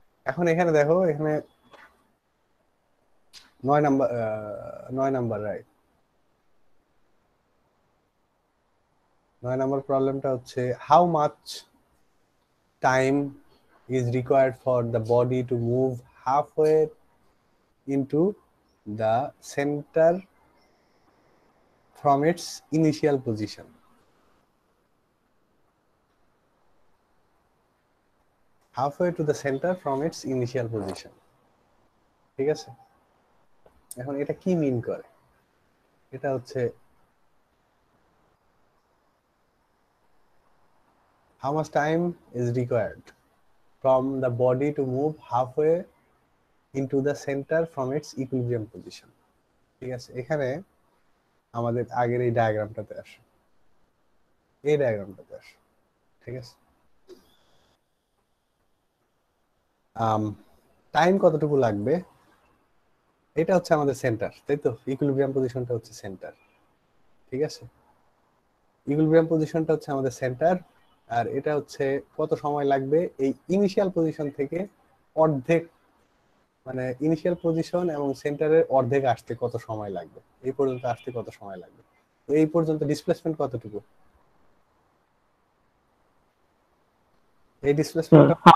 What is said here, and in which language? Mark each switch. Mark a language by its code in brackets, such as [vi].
[bn] এখন এখানে দেখো, এখানে নয় নাম্বার, রাইট, নয় নাম্বার প্রবলেমটা হচ্ছে [en] How much time is required for the body to move half way into the centre from its initial position. Half way to the centre from its initial position, [bn] ঠিক আছে। এখন এটা কি মিন করে? এটা হচ্ছে [en] how much time is required from the body to move halfway into the center from its equilibrium position, [bn] ঠিক আছে। এখানে আমাদের আগের এই ডায়াগ্রামটাতে আসো, এই ডায়াগ্রামটাতে আসো, ঠিক আছে। টাইম কতটুকু লাগবে? এটা হচ্ছে আমাদের সেন্টার, তাই তো? ইকুইলিব্রিয়াম পজিশনটা হচ্ছে সেন্টার, ঠিক আছে। ইকুইলিব্রিয়াম পজিশনটা হচ্ছে আমাদের সেন্টার, আর এটা হচ্ছে কত সময় লাগবে এই ইনিশিয়াল পজিশন থেকে অর্ধেক, মানে ইনিশিয়াল পজিশন এবং সেন্টারের অর্ধেক আসতে কত সময় লাগবে, এই পর্যন্ত আসতে কত সময় লাগবে, এই পর্যন্ত ডিসপ্লেসমেন্ট কতটুকু, এই ডিসপ্লেসমেন্ট